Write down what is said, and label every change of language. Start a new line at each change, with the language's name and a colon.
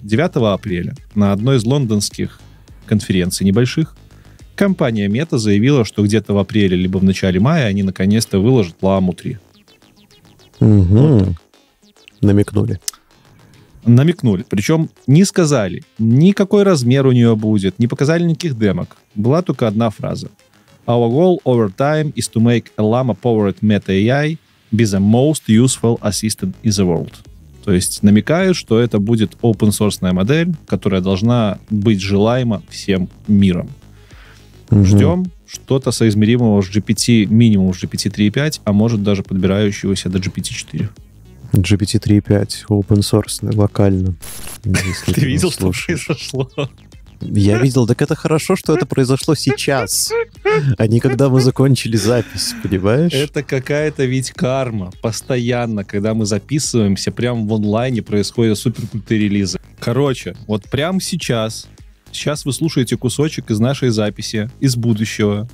Russian: 9 апреля на одной из лондонских конференций небольших компания Meta заявила, что где-то в апреле либо в начале мая они наконец-то выложат Llama 3. Угу. Вот намекнули. Намекнули. Причем не сказали, ни какой размер у нее будет, не показали никаких демок. Была только одна фраза.
English: Our goal over time is to make a Llama-powered Meta AI be the most useful assistant in the world.
Russian: То есть намекают, что это будет open-source модель, которая должна быть желаема всем миром. Ждем что-то соизмеримого с GPT, минимум с GPT-3.5, а может даже подбирающегося до GPT-4. GPT-3.5, open source, локально. Ты видел, что произошло? Я видел, так это хорошо, что это произошло сейчас, а не когда мы закончили запись, понимаешь? Это какая-то ведь карма. Постоянно, когда мы записываемся, прямо в онлайне происходят суперкрутые релизы. Короче, вот прямо сейчас... Сейчас вы слушаете кусочек из нашей записи, из будущего.